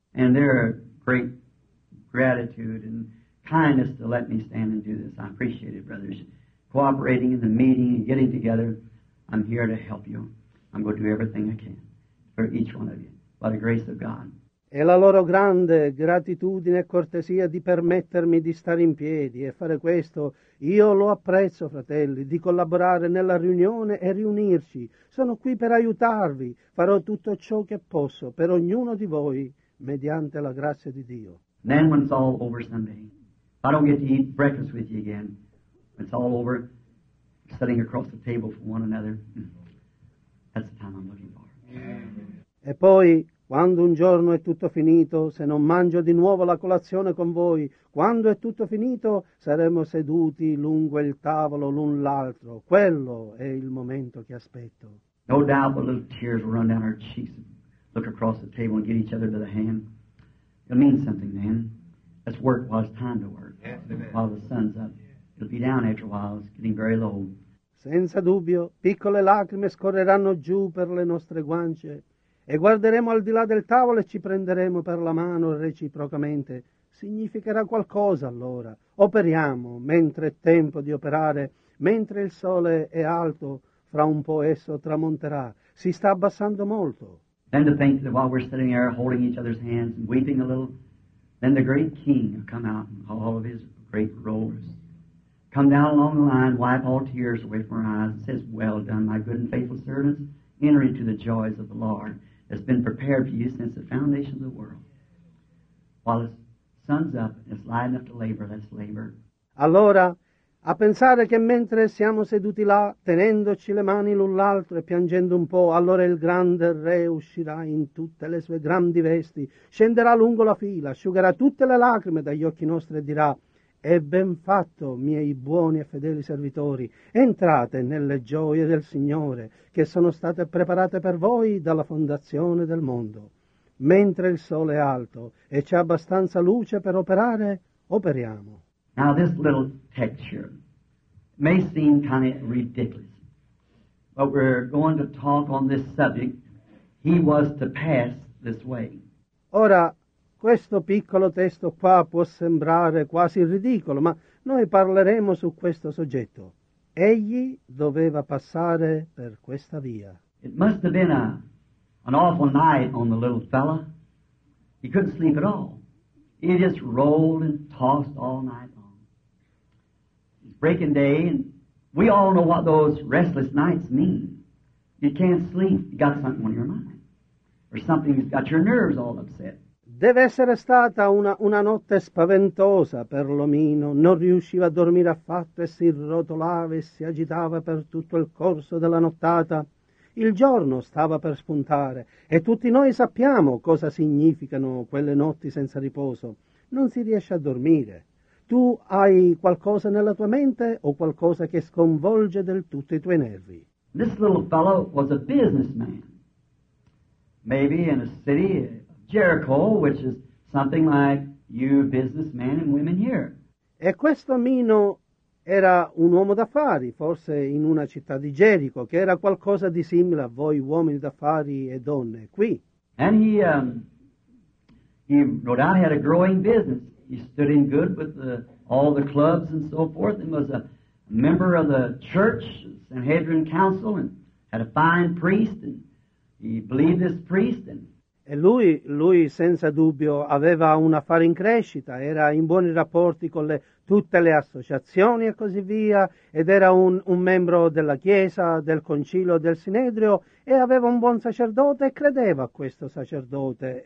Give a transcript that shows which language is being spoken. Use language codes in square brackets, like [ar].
[en] And their great gratitude and kindness to let me stand and do this. I appreciate it, brothers. Cooperating in the meeting and getting together. I'm here to help you. I'm going to do everything I can for each one of you. By the grace of God. [it] E la loro grande gratitudine e cortesia di permettermi di stare in piedi e fare questo, io lo apprezzo, fratelli, di collaborare nella riunione e riunirci. Sono qui per aiutarvi. Farò tutto ciò che posso per ognuno di voi mediante la grazia di Dio. [en] Then when it's all over Sunday, if I don't get to eat breakfast with you again, it's all over, sitting across the table from one another, that's the time I'm looking for. [it] E poi, quando un giorno è tutto finito, se non mangio di nuovo la colazione con voi, quando è tutto finito, saremo seduti lungo il tavolo l'un l'altro. Quello è il momento che aspetto. [en] No doubt the little tears will run down our cheeks and look across the table and give each other the hand. It'll mean something then. Let's work while it's time to work. Yes, while the sun's up. It'll be down after a while. It's getting very low. [it] Senza dubbio, piccole lacrime scorreranno giù per le nostre guance. E guarderemo al di là del tavolo e ci prenderemo per la mano reciprocamente. Significherà qualcosa allora. Operiamo, mentre è tempo di operare, mentre il sole è alto, fra un po' esso tramonterà. Si sta abbassando molto. [en] Then to think that while we're sitting there holding each other's hands and weeping a little, then the great king will come out in all of his great robes, come down along the line, wipe all tears away from our eyes, and says, well done, my good and faithful servants, enter into the joys of the Lord. Has been prepared for you since the foundation of the world. While the sun's up, it's light enough to labor, let's labor. [it] Allora, a pensare che mentre siamo seduti là, tenendoci le mani l'un l'altro e piangendo un po', allora il grande re uscirà in tutte le sue grandi vesti, scenderà lungo la fila, asciugherà tutte le lacrime dagli occhi nostri e dirà, è ben fatto, miei buoni e fedeli servitori. Entrate nelle gioie del Signore che sono state preparate per voi dalla fondazione del mondo. Mentre il sole è alto e c'è abbastanza luce per operare, operiamo. [en] Now this little texture may seem kind of ridiculous, but we're going to talk on this subject. He was to pass this way. [it] Ora, questo piccolo testo qua può sembrare quasi ridicolo, ma noi parleremo su questo soggetto. Egli doveva passare per questa via. [en] It must have been an awful night on the little fella. He couldn't sleep at all. He just rolled and tossed all night long. It's breaking day, and we all know what those restless nights mean. You can't sleep. You got something on your mind. Or something's got your nerves all upset. [it] Deve essere stata una notte spaventosa per l'omino. Non riusciva a dormire affatto e si rotolava e si agitava per tutto il corso della nottata. Il giorno stava per spuntare e tutti noi sappiamo cosa significano quelle notti senza riposo. Non si riesce a dormire. Tu hai qualcosa nella tua mente o qualcosa che sconvolge del tutto i tuoi nervi? [en] This little fellow was a businessman. Maybe in a city Jericho, which is something like you businessmen and women here. [it] E questo omino era un uomo d'affari, forse in una città di Gerico, che era qualcosa di simile a voi uomini d'affari e donne qui. [en] And he no doubt had a growing business. He stood in good with all the clubs and so forth, and was a member of the church, Sanhedrin Council, and had a fine priest, and he believed this priest, and [it] e lui senza dubbio aveva un affare in crescita, era in buoni rapporti con tutte le associazioni e così via, ed era un membro della chiesa, del concilio, del sinedrio, e aveva un buon sacerdote e credeva a questo sacerdote.